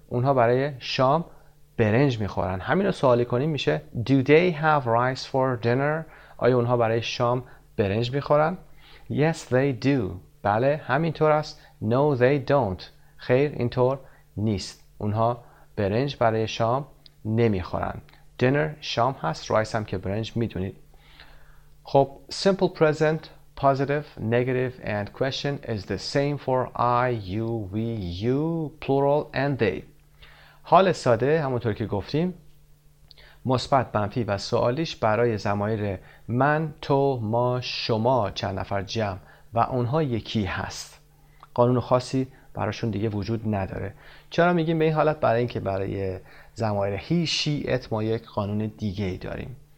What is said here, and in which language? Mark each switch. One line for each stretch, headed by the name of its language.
Persian: اونها برای شام برنج میخورن. همین رو سوالی کنیم میشه
English: Do they have rice for dinner؟
Persian: آیا اونها برای شام برنج میخورن؟
English: Yes, they do.
Persian: بله، همینطور است.
English: No, they don't.
Persian: خیر، اینطور نیست. اونها برنج برای شام نمیخورن. Dinner شام هست. Rice هم که برنج میدونید.
English: خب، simple present, positive, negative and question is the same for I, you, we, you, plural and they.
Persian: حال ساده همونطور که گفتیم مثبت، منفی و سوالیش برای ضمایر من، تو، ما، شما، چند نفر جمع و اونها یکی هست. قانون خاصی براشون دیگه وجود نداره. چرا میگیم به این حالت؟ برای اینکه برای ضمایر هی، شی، ات ما یک قانون دیگه ای داریم.